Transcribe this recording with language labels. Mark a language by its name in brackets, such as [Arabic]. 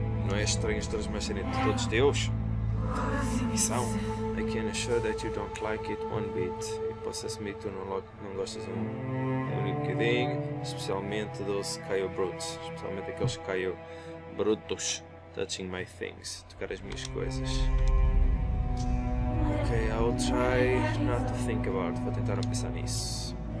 [Portuguese] Não é estranho os Tasmas serem todos teus? São. [English] I can assure that you don't like it one bit. [Portuguese] Posso assumir que tu não gostas um bocadinho, especialmente dos Caio Brutos, especialmente aqueles Caio Brutos, [English] touching my things, [Portuguese] tocar as minhas coisas. [English] Ok, I will try not to think about it, [Portuguese] vou tentar não pensar nisso.